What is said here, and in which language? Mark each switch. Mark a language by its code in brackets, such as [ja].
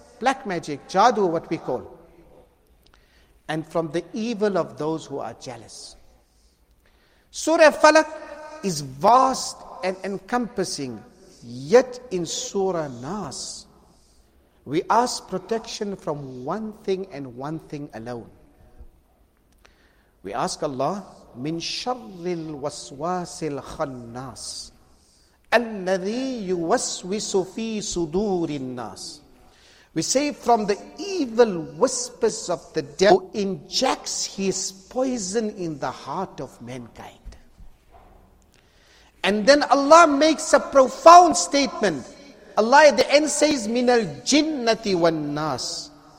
[en] Black magic, jadu, what we call. And from the evil of those who are jealous. Surah Falaq is vast and encompassing, yet in Surah Nas, We ask protection from one thing and one thing alone. We ask Allah, [ar] مِنْ شَرِّ الْوَسْوَاسِ الْخَنَّاسِ الَّذِي يُوَسْوِسُ فِي صُدُورِ النَّاسِ. [en] We say, from the evil whispers of the devil who injects his poison in the heart of mankind. And then Allah makes a profound statement. Allah at the end says, [ar] مِنَ الْجِنَّةِ وَالنَّاسِ.